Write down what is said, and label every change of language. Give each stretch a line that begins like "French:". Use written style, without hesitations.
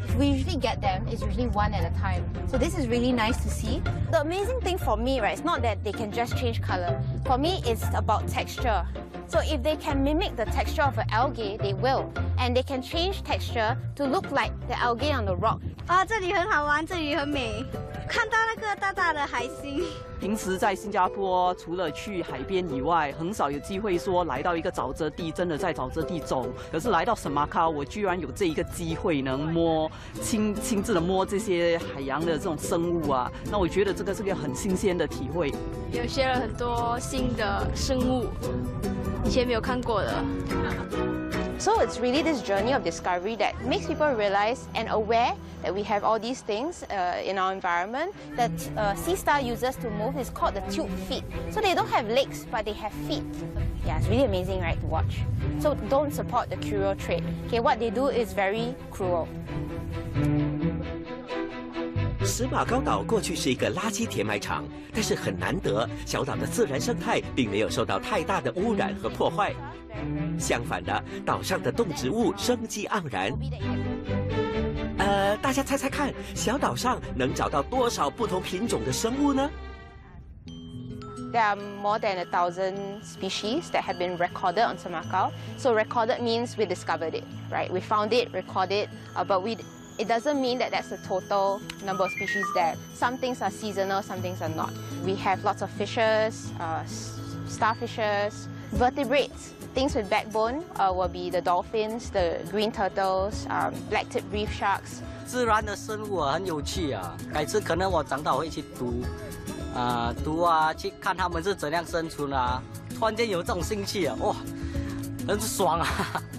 English: We usually get them, it's usually one at a time, so this is really nice to see. The amazing thing for me, right, it's not that they can just change color, for me it's about texture. So if they can mimic the texture of an algae, they will. And they can change texture to look like the algae on the rock.
Chinese: 啊，这里很好玩，这里很美。看到那个大大的海星。平时在新加坡，除了去海边以外，很少有机会说来到一个沼泽地，真的在沼泽地走。可是来到沈马卡，我居然有这一个机会能摸，亲自的摸这些海洋的这种生物啊。那我觉得这个是个很新鲜的体会。有学了很多新的生物，以前没有看过的。
English: So it's really this journey of discovery that makes people realize and aware that we have all these things in our environment that sea star uses to move. It's called the tube feet. So they don't have legs, but they have feet. Yeah, it's really amazing, right, to watch. So don't support the cruel trade. Okay, what they do is very cruel.
Chinese: 斯马高岛过去是一个垃圾填埋场，但是很难得，小岛的自然生态并没有受到太大的污染和破坏。相反的，岛上的动植物生机盎然。大家猜猜看，小岛上能找到多少不同品种的生物呢？
English: There are more than 1,000 species that have been recorded on Semakau. So recorded means we discovered it, right? We found it, recorded, but it doesn't mean that that's the total number of species there. Some things are seasonal, some things are not. We have lots of fishes, starfishes, vertebrates. Things with backbone will be the dolphins, the green turtles, black-tipped reef sharks.
Chinese: 自然的生物很有趣啊！改次可能我长大会去读，去看他们是怎样生存的啊！突然间有这种兴趣啊，哇，真是爽啊！